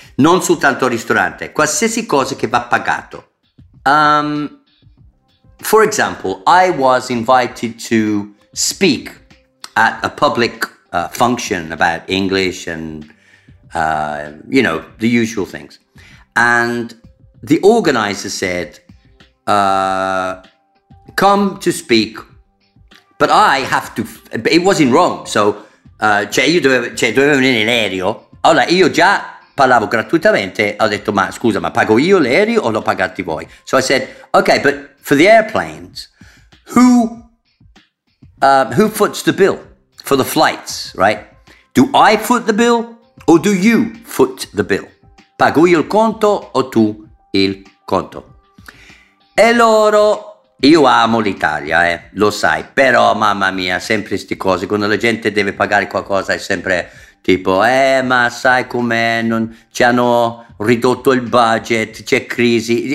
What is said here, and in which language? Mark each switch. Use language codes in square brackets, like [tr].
[it] Non soltanto ristorante, qualsiasi cosa che va pagato. [en] For example, I was invited to speak at a public function about English and, you know, the usual things. And the organizer said, come to speak, but I have to, but it was in Rome, so, [it] cioè dovevo venire in aereo. Allora, io già parlavo gratuitamente, ho detto, ma scusa, ma pago io l'aereo o lo pagate voi? [en] So I said, okay, but for the airplanes, who foots the bill for the flights, right? Do I foot the bill or do you foot the bill? [it] Pago io il conto o tu il conto? E loro, io amo l'Italia, lo sai, però mamma mia, sempre queste cose, quando la gente deve pagare qualcosa è sempre... Tipo, ma sai com'è, non ci hanno ridotto il budget, c'è crisi.